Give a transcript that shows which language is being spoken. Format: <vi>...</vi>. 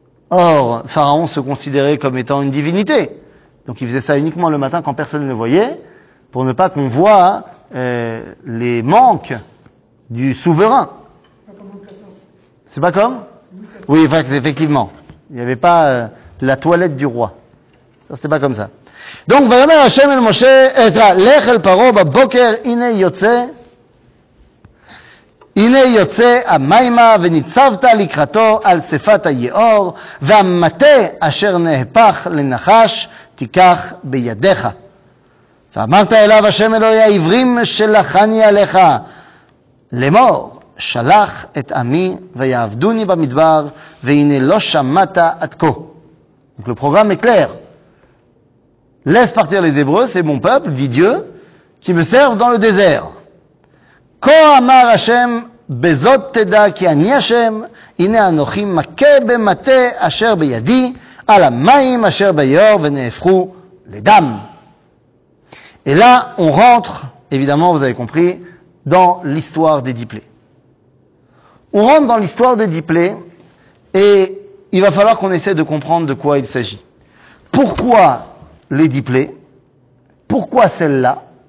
<fr>Or, Pharaon se considérait comme étant une divinité. Donc il faisait ça uniquement le matin quand personne ne le voyait, pour ne pas qu'on voit les manques du souverain. C'est pas comme? Oui, effectivement. Il n'y avait pas la toilette du roi. Ça, c'était pas comme ça.</fr> <he>Donc, « Vayomer Hashem el Moshe Ezra, lech el paro, ba boker ine yotze » הנה יוצא המימה וניצבת לקראתו על שפת היאור והמטה אשר נהפך לנחש תיקח בידיך ואמרת אליו השם אלוהי העברים שלחני עליך למור שלח את עמי ויעבדוני במדבר והנה לא שמעת עד כה</he> <fr>Donc le programme est clair. Laisse partir les Hébreux, c'est mon peuple, dit Dieu, qui me serve dans le désert.</fr> <he>Quand אמר השם בזאת תדע כי אני השם הנה אנוכי מכה במטה אשר בידי על המים אשר ביאור ונהפכו לדם.</he> <fr>Et là, on rentre, évidemment, vous avez compris, dans l'histoire des 10 plaies. On rentre dans l'histoire des 10 plaies et il va falloir qu'on essaie de comprendre de quoi il s'agit. Pourquoi les 10 plaies? Pourquoi celle-là?</fr>